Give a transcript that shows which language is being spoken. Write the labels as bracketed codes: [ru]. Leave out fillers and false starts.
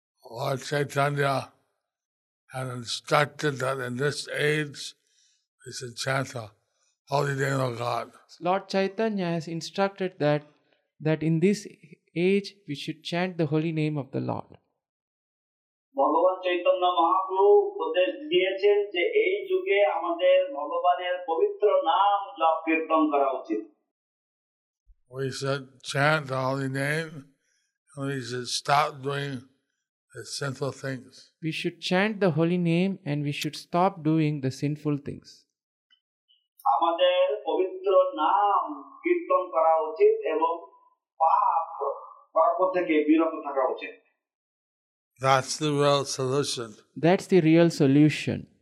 [en] Lord Chaitanya had instructed that in this age we should chant the holy name of God. Lord Chaitanya has instructed that in this age we should chant the holy name of the Lord. [bn] ভগবান চৈতন্য মহাপ্রভু উপদেশ দিয়েছেন যে এই যুগে আমাদের ভগবানের পবিত্র নাম জপ কীর্তন করা উচিত. [en] We should chant the holy name and we should stop doing the sinful things. We should chant the holy name and we should stop doing the sinful things. [bn] আমাদের পবিত্র নাম কীর্তন করা উচিত এবং পাপ পাপ থেকে বিরত থাকা উচিত. [en] That's the real solution. That's the real solution.